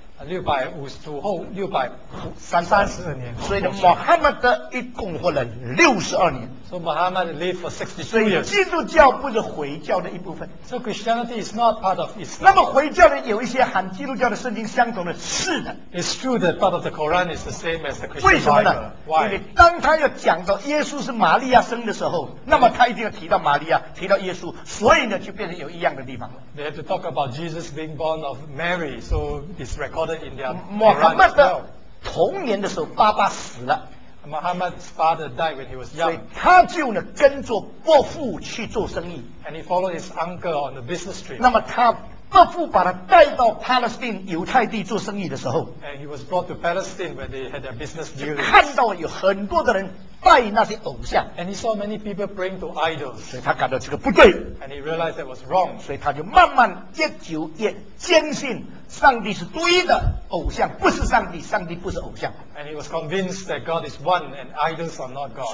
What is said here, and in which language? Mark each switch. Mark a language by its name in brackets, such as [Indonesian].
[Chinese] 652后634年. 所以呢, Muhammad 一共活了62年. [English] So Muhammad lived for 62 years. [Chinese] 基督教不是回教的一部分。 [English] So Christianity is not part of Islam. [Chinese] 那么回教的有一些和基督教的圣经相同的是的。 [English] It's true that part of the Quran is the same as the Christian. [Chinese] 为什么呢? [English] Why? [Chinese] 因为当他要讲到耶稣是玛利亚生的时候, 那么他一定要提到玛利亚,提到耶稣, 所以呢就变成有一样的地方了。 [English] They have to talk about Jesus being born of Mary, so it's recorded in their [Chinese] Muhammad 童年的时候爸爸死了。 [English] Muhammad's father died when he was young. [Chinese] 所以他就呢跟着伯父去做生意。 [English] And he followed his uncle on the business trip. [Chinese] 那么他伯父把他带到 Palestine 犹太地做生意的时候。 [English] And he was brought to Palestine where they had their business dealings. [Chinese] 看到有很多的人拜那些偶像。 [English] And he saw many people praying to idols. [Chinese] 所以他感到这个不对。 [English] And he realized that was wrong. [Chinese] 所以他就慢慢越久越坚信。上帝是对的，偶像不是上帝，上帝不是偶像。 [English] And he was convinced that God is one and idols are not God.